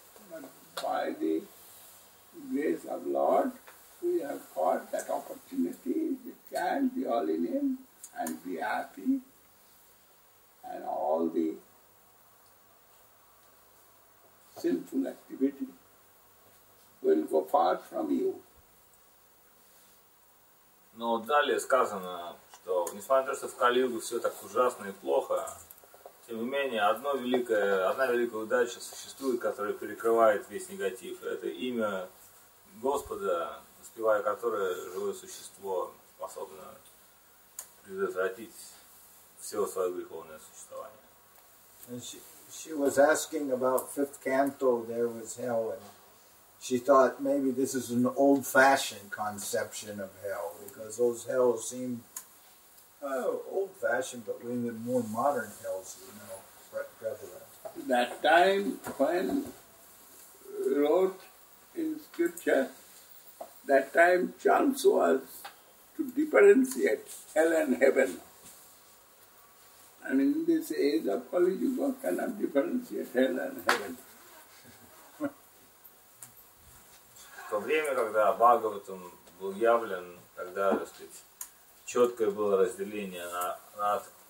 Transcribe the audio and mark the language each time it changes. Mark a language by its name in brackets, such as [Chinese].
[English] But by the grace of Lord, we have got that opportunity to chant the holy name and be happy. And all the sinful activity will go far from you. [Russian] Но далее сказано, что несмотря на то, что в Кали-Югу все так ужасно и плохо, тем не менее одна великая удача существует, которая перекрывает весь негатив. Это имя Господа, воспевая которое живое существо способно предотвратить все свое греховное существование. [English] She was asking about fifth canto, there was hell, and she thought maybe this is an old-fashioned conception of hell, because those hells seem old-fashioned, but we need more modern hells, you know, prevalent. That time when wrote in scripture, that time chance was to differentiate hell and heaven. And in this age of Kali Yuga, cannot differentiate hell and heaven. [Russian] В то время, когда Бхагаватам был явлен, тогда, так сказать, четкое было разделение на ад,